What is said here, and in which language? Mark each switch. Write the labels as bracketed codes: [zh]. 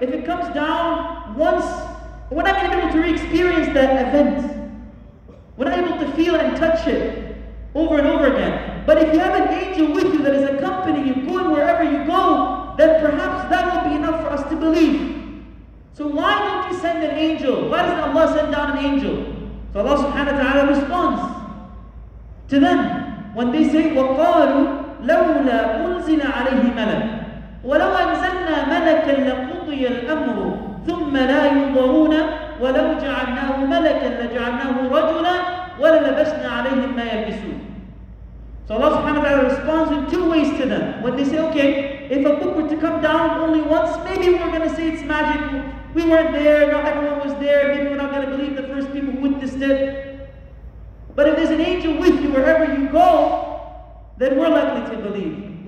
[en] if it comes down once, we're not even able to re-experience that event. We're not able to feel and touch it over and over again. But if you have an angel with you that is accompanying you, going wherever you go, then perhaps that will be enough for us to believe. So why don't you send an angel? Why doesn't Allah send down an angel? So Allah subhanahu wa ta'ala responds to them when they say, [ar] وَقَالُوا لَوْلَا أُنزِلَ عَلَيْهِ مَلَكٌ وَلَوْ أَنزَلْنَا مَلَكًا لَقُضِيَ الْأَمْرُ ثُمَّ لَا يُنظَرُونَ وَلَوْ جَعَلْنَاهُ مَلَكًا لَجَعَلْنَاهُ رَجُلًا وَلَلَبَسْنَا عَلَيْهِمْ مَا يَلْبِسُونَ. [en] So Allah subhanahu wa ta'ala responds in two ways to them. When they say, okay, if a book were to come down only once, maybe we're going to say it's magic. We weren't there, not everyone was there. Maybe we're not going to believe the first people who witnessed it. But if there's an angel with you wherever you go, then we're likely to believe.